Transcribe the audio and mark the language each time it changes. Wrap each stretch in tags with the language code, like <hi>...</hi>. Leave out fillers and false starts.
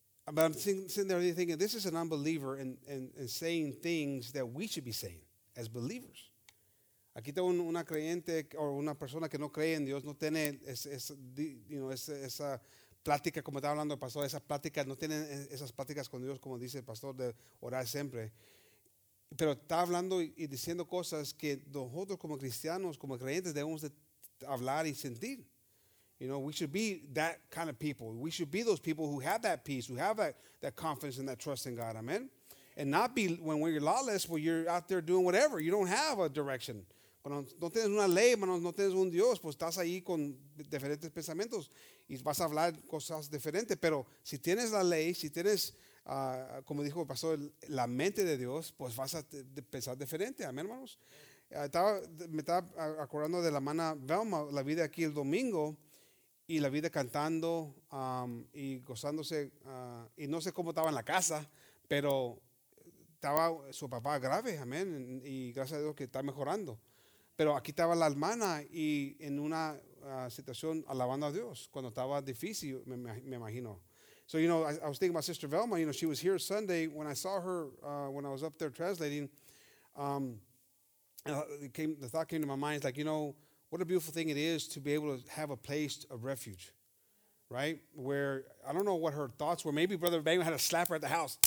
<en>But I'm sitting there thinking, this is an unbeliever and saying things that we should be saying as believers.</en> <es>Aquí está una creyente o una persona que no cree en Dios, no tiene esa plática como estaba hablando el pastor, esa plática, no tiene esas pláticas con Dios, como dice el pastor, de orar siempre. Pero está hablando y diciendo cosas que nosotros como cristianos, como creyentes, debemos de hablar y sentir.</es> <en>You know, we should be that kind of people. We should be those people who have that peace, who have that confidence and that trust in God. Amen. And not be, when you're lawless, when you're out there doing whatever, you don't have a direction.</en> <es>Cuando no tienes una ley, mano, no tienes un Dios, pues estás ahí con diferentes pensamientos y vas a hablar cosas diferentes. Pero si tienes la ley, si tienes, como dijo el pastor, la mente de Dios, pues vas a pensar diferente. Amén, hermanos. Me estaba acordando de la hermana Velma, la vida aquí el domingo, y la vida cantando y gozándose. Y no sé cómo estaba en la casa, pero estaba su papá grave, amén, y gracias a Dios que está mejorando. Pero aquí estaba la hermana y en una situación alabando a Dios cuando estaba difícil, me imagino.</es> <en>So, you know, I was thinking about Sister Velma. You know, she was here Sunday when I saw her, when I was up there translating. The thought came to my mind. It's like, you know, what a beautiful thing it is to be able to have a place of refuge, right? Where, I don't know what her thoughts were. Maybe Brother Benjamin had a slapper at the house.</en>